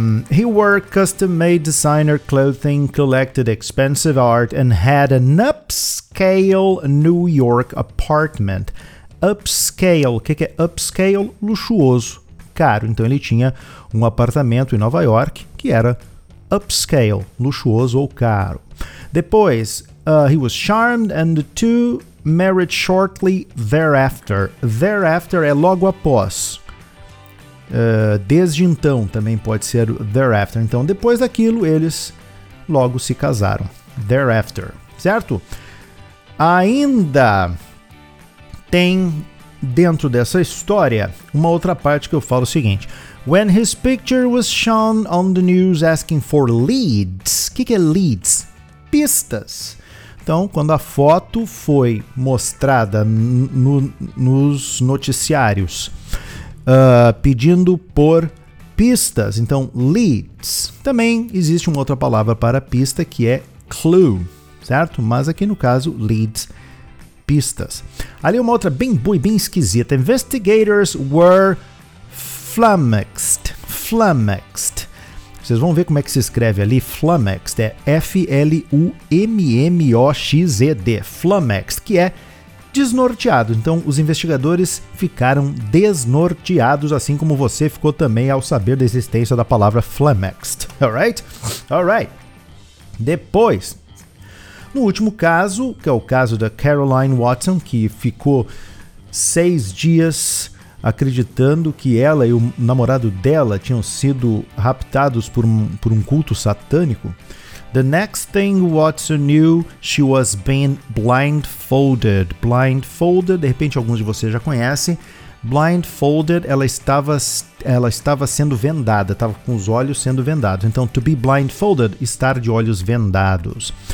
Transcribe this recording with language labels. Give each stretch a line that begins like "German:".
English: he wore custom-made designer clothing, collected expensive art, and had an upscale New York apartment. Upscale.
Portuguese: O que é upscale? Luxuoso. Caro. Então, ele tinha um apartamento em Nova York que era upscale. Luxuoso ou caro. Depois,
English: he was charmed and the two married shortly thereafter.
Portuguese: Thereafter é logo após. Desde então também pode ser thereafter. Então, depois daquilo, eles logo se casaram. Thereafter, certo? Ainda tem dentro dessa história uma outra parte que eu falo o seguinte.
English: When his picture was shown on the news asking for leads.
Portuguese: O que, que é leads? Pistas. Então, quando a foto foi mostrada nos noticiários... pedindo por pistas, então leads. Também existe uma outra palavra para pista que é clue, certo? Mas aqui no caso, leads, pistas. Ali uma outra bem esquisita.
English: Investigators were flummoxed. Flummoxed.
Portuguese: Vocês vão ver como é que se escreve ali. Flummoxed é F-L-U-M-M-O-X-E-D. Flummoxed, que é desnorteado. Então, os investigadores ficaram desnorteados, assim como você ficou também ao saber da existência da palavra flummoxed. Alright? Alright. Depois, no último caso, que é o caso da Caroline Watson, que ficou 6 dias acreditando que ela e o namorado dela tinham sido raptados por um culto satânico.
English: The next thing Watson knew, she was being blindfolded.
Portuguese: Blindfolded, de repente alguns de vocês já conhecem. Blindfolded, ela estava sendo vendada, estava com os olhos sendo vendados. Então,
English: to be blindfolded,
Portuguese: estar de olhos vendados.